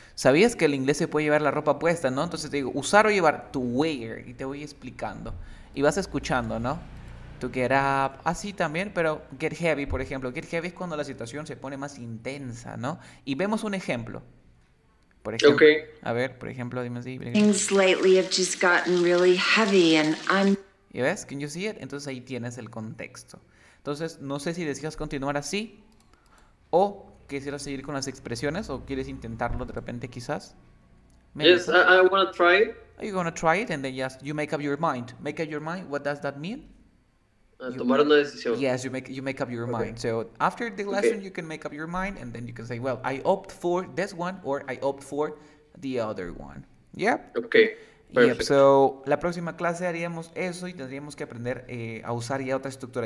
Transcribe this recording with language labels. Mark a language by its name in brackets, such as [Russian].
[Spanish] ¿Sabías que el inglés se puede llevar la ropa puesta, no? Entonces te digo, usar o llevar, [English] to wear, [Spanish] y te voy explicando. Y vas escuchando, ¿no? To get up, así también, pero get heavy, por ejemplo. Get heavy es cuando la situación se pone más intensa, ¿no? Y vemos un ejemplo. Por ejemplo, [English] Okay. [Spanish] a ver, por ejemplo, dime así. [English] Things lately have just gotten really heavy and I'm [Spanish] ¿Y ves? [English] Can you see it? [Spanish] Entonces ahí tienes el contexto. Entonces, no sé si decías continuar así o quisieras seguir con las expresiones o quieres intentarlo de repente, quizás. [English] Yes, [Spanish] Medita. [English] I want to try it. Are you gonna try it? And then just you make up your mind. Make up your mind. What does that mean? [Spanish] A tomar una decisión. [English] Yes, you make up your Okay. mind. So after the lesson, Okay. you can make up your mind and then you can say, well, I opt for this one or I opt for the other one. Okay, Yep, [Spanish] perfecto. so la próxima clase haríamos eso y tendríamos que aprender a usar ya otra estructura.